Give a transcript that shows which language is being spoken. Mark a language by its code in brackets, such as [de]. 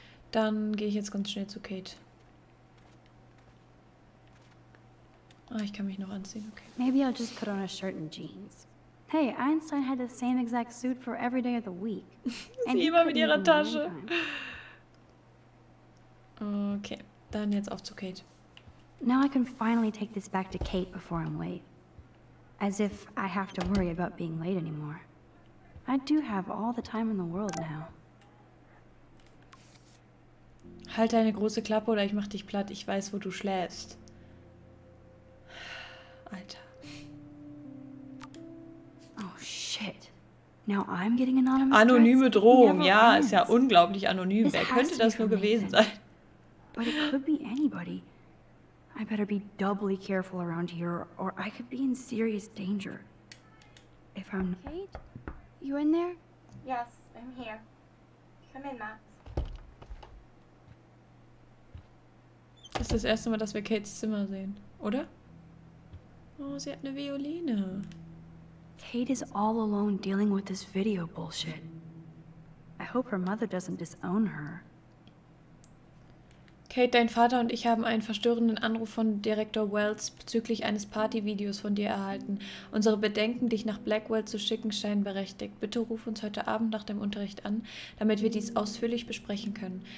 [de] Dann gehe ich jetzt ganz schnell zu Kate. Ah, ich kann mich noch anziehen. Okay. [en] Maybe I'll just put on a shirt and jeans. Hey, Einstein had the same exact suit for every day of the week. [de] Sie and immer mit ihrer Tasche. Okay, dann jetzt auf zu Kate. [en] Now I can finally take this back to Kate before I'm late. As if I have to worry about being late anymore. I do have all the time in the world now. [de] Halt deine große Klappe oder ich mach dich platt. Ich weiß, wo du schläfst. Alter. [en] Oh shit. Now I'm getting anonymous. [de] Anonyme Drohung. Ja, ist ja unglaublich anonym. Wer könnte das nur gewesen sein? [en] But it could be anybody. I better be doubly careful around here or I could be in serious danger. If I'm not. Kate? You in there? Yes, I'm here. Come in, Max. [de] Das ist das erste Mal, dass wir Kates Zimmer sehen, oder? Oh, sie hat eine Violine. [en] Kate is all alone dealing with this video bullshit. I hope her mother doesn't disown her. [de] Kate, dein Vater und ich haben einen verstörenden Anruf von Direktor Wells bezüglich eines Partyvideos von dir erhalten. Unsere Bedenken, dich nach Blackwell zu schicken, scheinen berechtigt. Bitte ruf uns heute Abend nach dem Unterricht an, damit wir dies ausführlich besprechen können.